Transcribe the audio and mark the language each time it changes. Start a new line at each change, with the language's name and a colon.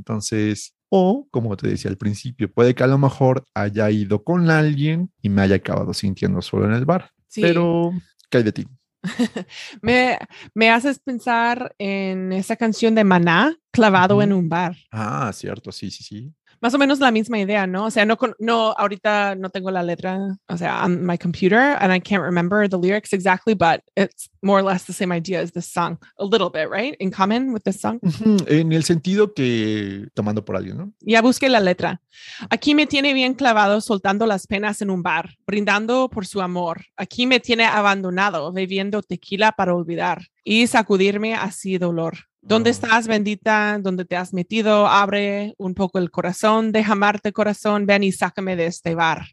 Spanish: Entonces, o como te decía al principio, puede que a lo mejor haya ido con alguien y me haya acabado sintiendo solo en el bar. Sí. Pero, ¿qué hay de ti? me haces pensar en esa canción de Maná, clavado en un bar. Ah, cierto, sí. Más o menos la misma idea, ¿no? O sea, no, ahorita no tengo la letra, o sea,
English: on my computer, and I can't remember the lyrics exactly, but it's more or less the same idea as this song, a little bit, right? In common with this song.
Spanish: En el sentido que tomando por alguien, ¿no? Ya busqué la letra. Aquí me tiene bien clavado soltando las penas en un bar, brindando por su amor. Aquí me tiene abandonado, bebiendo tequila para olvidar y sacudirme así dolor. ¿Dónde estás, bendita? ¿Dónde te has metido? Abre un poco el corazón, deja amarte, corazón, ven y sácame de este bar.